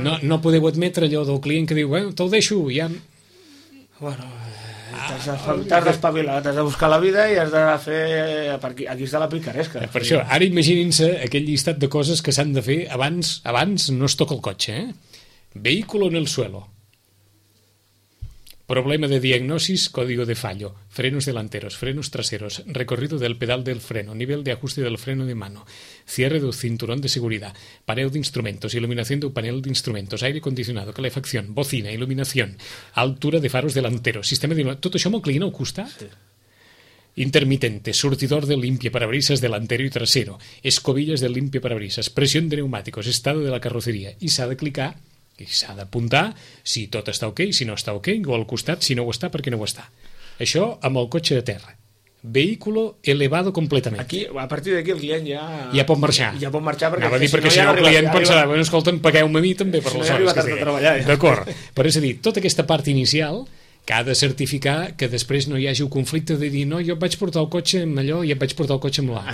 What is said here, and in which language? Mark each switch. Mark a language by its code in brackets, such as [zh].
[ca] No podeu admetre allò del client que diu, bueno, te'l deixo, hi ha... Bueno, t'has d'espavilar, t'has de buscar la vida i has de fer... Aquí està la picaresca. Per això, ara imaginin-se aquell llistat de coses que s'han de fer abans no es toca el cotxe, eh? [es] Vehículo en el suelo. Problema de diagnosis, código de fallo, frenos delanteros, frenos traseros, recorrido del pedal del freno, nivel de ajuste del freno de mano, cierre del cinturón de seguridad, panel de instrumentos, iluminación del panel de instrumentos, aire acondicionado, calefacción, bocina, iluminación, altura de faros delanteros, sistema de... [ca] Tot això amb el client al costat? Sí. [es] Intermitente, surtidor de limpiaparabrisas delantero y trasero, escobillas de limpiaparabrisas, presión de neumáticos, estado de la carrocería, y [ca] s'ha de clicar... I s'ha d'apuntar si tot està ok, si no està ok, o al costat, si no ho està, perquè no ho està. Això amb el cotxe de terra. [es] Vehículo elevado completament. [ca] Aquí, a partir d'aquí el client ja... Ja pot marxar. Ja pot marxar perquè... Anava a dir, perquè si no, ja el client pensarà, bueno, escolta'm, pagueu-me a mi també per les hores. Si no, ja treballar. D'acord. Però és a dir, tota aquesta part inicial, que ha de certificar que després no hi hagi un conflicte de dir, no, jo vaig portar el cotxe amb allò i et vaig portar el cotxe amb l'altre.